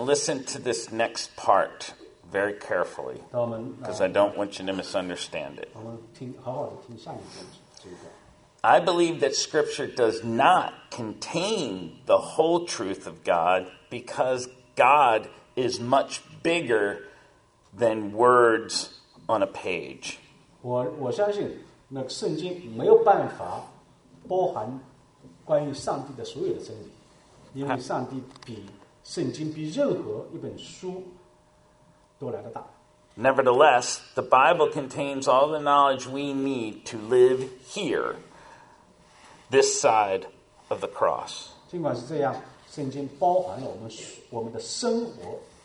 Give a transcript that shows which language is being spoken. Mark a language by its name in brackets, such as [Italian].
[English] And listen to this next part very carefully, because I don't want you to misunderstand it. [Chinese] 我们听好好的听下面这一段。 [English] I believe that Scripture does not contain the whole truth of God because God is much bigger than words on a page. [Chinese] 我相信那个圣经没有办法包含关于上帝的所有的真理，因为上帝比圣经比任何一本书都来得大。Nevertheless, [English] the Bible contains all the knowledge we need to live here, this side of the cross. [Chinese] 尽管是这样，圣经包含了我们的生活。